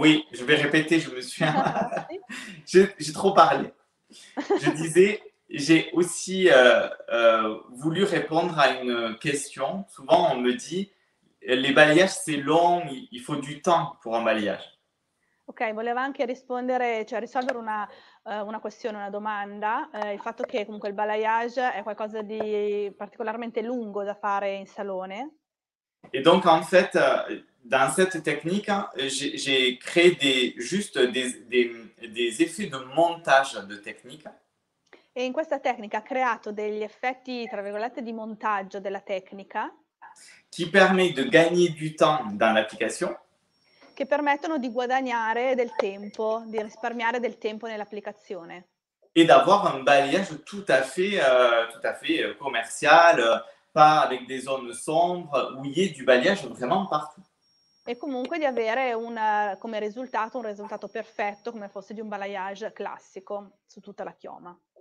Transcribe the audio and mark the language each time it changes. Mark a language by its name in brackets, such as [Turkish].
[French] Oui, je vais répéter, je me suis... j'ai trop parlé. Je disais... J'ai aussi voulu répondre à une question. Souvent, on me dit, les balayages, c'est long, il faut du temps pour un balayage. [Italian] Ok, volevo anche rispondere, cioè risolvere una questione, una domanda. Il fatto che comunque il balayage è qualcosa di particolarmente lungo da fare in salone. [French] Et donc, en fait, dans cette technique, j'ai créé juste des effets de montage de technique. [Italian] E in questa tecnica ha creato degli effetti, tra virgolette, di montaggio della tecnica. [French] Qui permet de gagner du temps dans l'application. [Italian] Che permettono di guadagnare del tempo, di risparmiare del tempo nell'applicazione. [French] E d'avoir un balayage tout à fait commercial, pas avec des zones sombres, où il y ait du balayage vraiment partout. [Italian] E comunque di avere un risultato perfetto, come fosse di un balayage classico, su tutta la chioma.